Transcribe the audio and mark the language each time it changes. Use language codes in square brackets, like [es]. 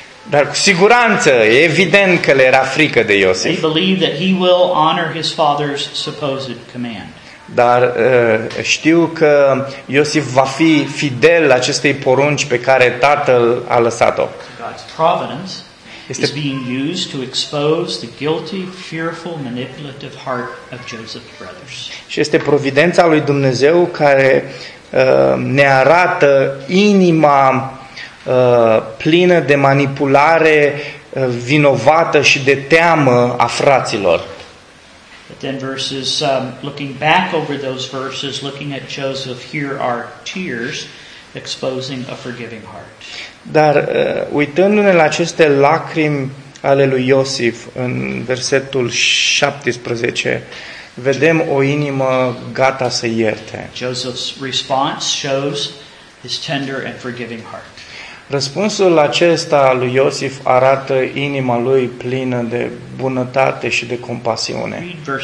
[ro] Dar cu siguranță, evident că le era frică de Iosif. [en] They believe that he will honor his father's supposed command. [ro] Dar știu că Iosif va fi fidel acestei porunci pe care tatăl a lăsat-o. [en] God's providence [ro] este [en] being used to expose the guilty, fearful, manipulative heart of Joseph's brothers. [ro] Și este providența lui Dumnezeu care ne arată inima plină de manipulare vinovată și de teamă a fraților. [en] But then verses, looking back over those verses, looking at Joseph, here are tears exposing a forgiving heart. [ro] Dar uitându-ne la aceste lacrimi ale lui Iosif în versetul 17, vedem o inimă gata să ierte. [en] Joseph's response shows his tender and forgiving heart. [ro] Răspunsul acesta lui Iosif arată inima lui plină de bunătate și de compasiune.